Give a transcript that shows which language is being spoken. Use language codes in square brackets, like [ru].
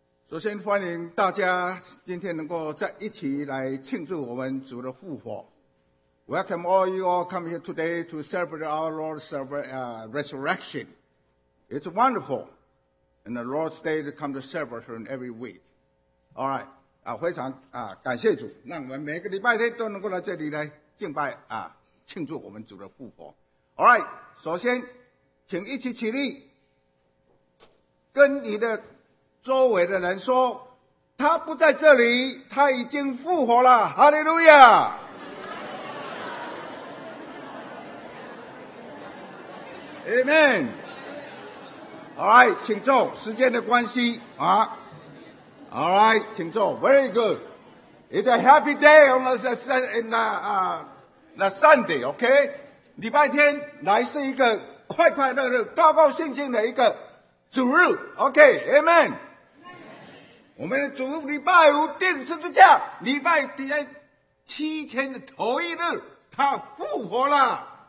[zh] 首先欢迎大家今天能够在一起来庆祝我们主的复活。 [en] Welcome all you all come here today to celebrate our Lord's resurrection. It's wonderful, and the Lord's Day to come to celebrate in every week. All right. [zh] 非常感谢主，让我们每个礼拜天都能够来这里来敬拜庆祝我们主的复活。 All right, 首先请一起起立，跟你的周围的人说，他不在这里，他已经复活了，哈利路亚。 [en] Amen. All right, [zh] 请坐。时间的关系啊。All right, 请坐。 [en] Very good. It's a happy day on the Sunday, okay? [zh] 礼拜天来是一个快快乐乐、高高兴兴的一个主日。 [en] Okay, Amen. [zh] 我们的主日礼拜五定十字架，礼拜天七天的头一日，他复活了。